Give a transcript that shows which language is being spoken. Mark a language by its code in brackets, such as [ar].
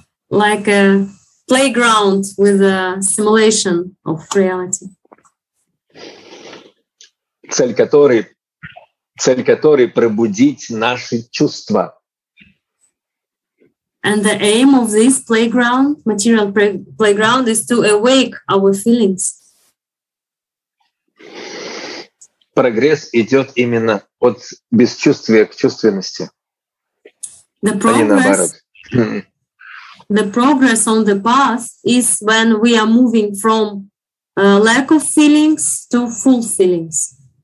[en] Like a playground with a simulation of reality. [ru] Цель которой пробудить наши чувства. [en] And the aim of this playground, material playground, is to awake our feelings. [ru] Прогресс идет именно от бесчувствия к чувственности. [en] The progress on the path is when we are moving from lack of feelings to full feelings.